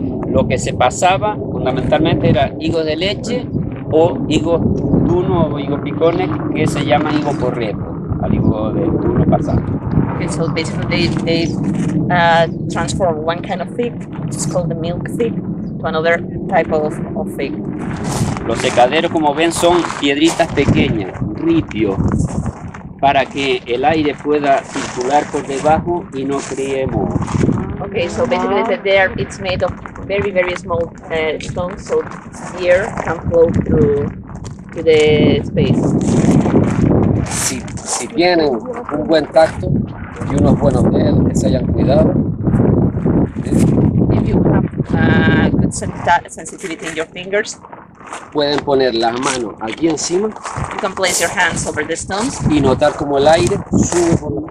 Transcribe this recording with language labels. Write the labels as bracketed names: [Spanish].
[Spanish] Lo que se pasaba fundamentalmente era higos de leche o higos duno o higos picones, que se llama higo porrepo, al higo de duno pasado. [English] Okay, so basically they transform one kind of fig, which is called the milk fig, to another type of fig. [Spanish] Los secaderos, como ven, son piedritas pequeñas, ripio, para que el aire pueda circular por debajo y no creemos. [English] Okay, so basically there it's made of very, very small stones, so air can flow through the space. [Spanish] Si tienen un buen tacto y unos buenos dedos que se hayan cuidado. [English] If you have good sensitivity in your fingers, [Spanish] pueden poner las manos aquí encima. [English] You can place your hands over the stones. [Spanish] Y notar como el aire sube por los